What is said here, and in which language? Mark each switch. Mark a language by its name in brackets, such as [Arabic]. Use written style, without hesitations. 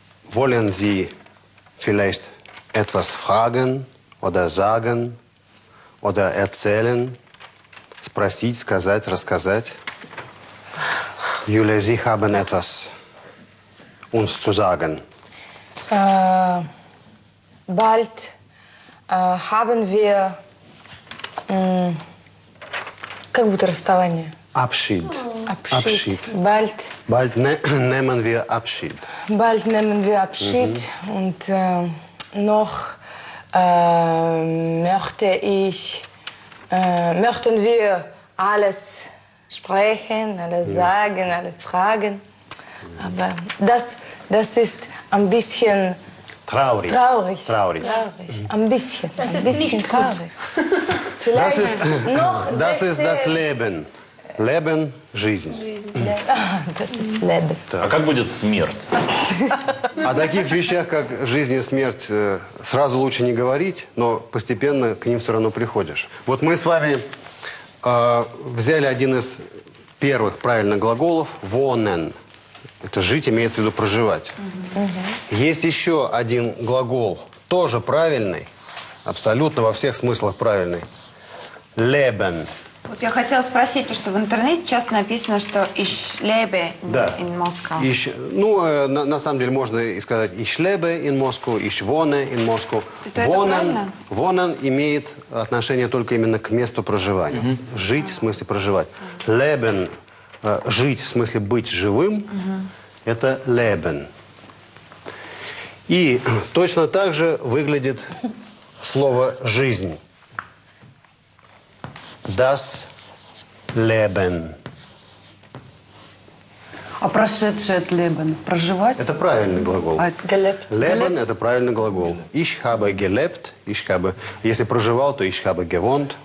[German] Wollen Sie vielleicht etwas fragen oder sagen oder erzählen? [Russian] Спросить, сказать, рассказать. [German] Юля, Sie haben etwas uns zu sagen. Bald haben wir [Russian] как будто расставание. [German] Abschied. Oh. Abschied. Bald. Bald nehmen wir Abschied. Bald nehmen wir Abschied. Mhm. Und noch möchte ich, möchten wir alles sprechen, alles sagen, alles fragen. Aber das ist ein bisschen traurig. Traurig. Traurig. Ein bisschen. Das ein ist bisschen nicht traurig. Gut. Vielleicht das ist, noch das, 16... ist das Leben. Leben, [Russian] жизнь. [German] Das ist Leben. [Russian] А как будет смерть? О таких вещах, как жизнь и смерть, сразу лучше не говорить, но постепенно к ним все равно приходишь. Вот мы с вами взяли один из первых правильных глаголов – «wohnen». Это «жить» имеется в виду «проживать». Mm-hmm. Есть еще один глагол, тоже правильный, абсолютно во всех смыслах правильный – «leben». Вот я хотела спросить, потому что в интернете часто написано, что «ich lebe in Moskau». [German] Ich, [Russian] ну, на самом деле можно и сказать [German] «ich lebe in Moskau», «ich wohne in Moskau». Wohnen, [Russian] «wohnen» имеет отношение только именно к месту проживания. Uh-huh. «Жить» uh-huh. в смысле «проживать». Uh-huh. «Leben» – «жить» в смысле «быть живым» uh-huh. – это «leben». И точно так же выглядит слово «жизнь». [German] Das Leben. [Russian] А прошедшее от Leben? Проживать? Это правильный глагол. [German] Gelebt. [Russian] Leben – это правильный глагол. [German] Ich habe gelebt. Ich habe, [Russian] если проживал, то [German] ich habe gewohnt.